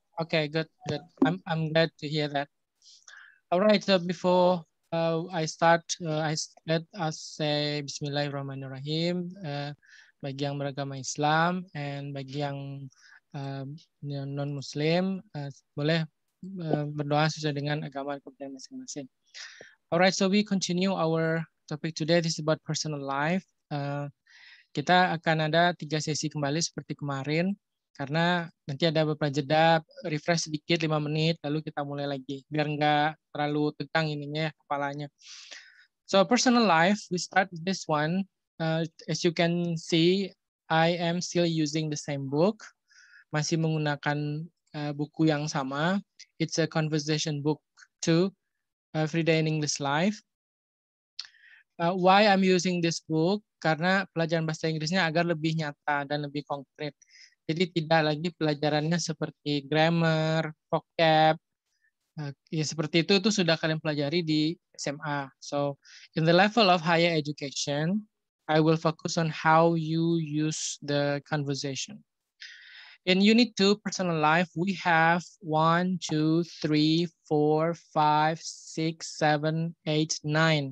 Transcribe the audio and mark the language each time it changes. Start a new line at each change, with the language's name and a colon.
English: Okay, good. I'm glad to hear that. All right, so before I start, let us say Bismillahirrahmanirrahim
Indonesian: bagi yang beragama Islam
English: and
Indonesian: bagi yang non-Muslim, boleh berdoa sesuai dengan agama kepercayaan masing-masing.
English: All right, so we continue our topic today. This is about personal life.
Indonesian: Kita akan ada 3 sesi kembali seperti kemarin. Karena nanti ada beberapa jeda, refresh sedikit 5 menit, lalu kita mulai lagi. Biar nggak terlalu tegang ininya ya, kepalanya.
English: So, personal life, we start this one. As you can see, I am still using the same book.
Indonesian: Masih menggunakan buku yang sama.
English: It's a conversation book to Everyday in English Life. Why I'm using this book?
Indonesian: Karena pelajaran bahasa Inggrisnya agar lebih nyata dan lebih konkret. Jadi tidak lagi pelajarannya seperti grammar, vocab, Ya, seperti itu sudah kalian pelajari di SMA.
English: So, in the level of higher education, I will focus on how you use the conversation. In Unit 2, Personal Life, we have 1, 2, 3, 4, 5, 6, 7, 8, 9.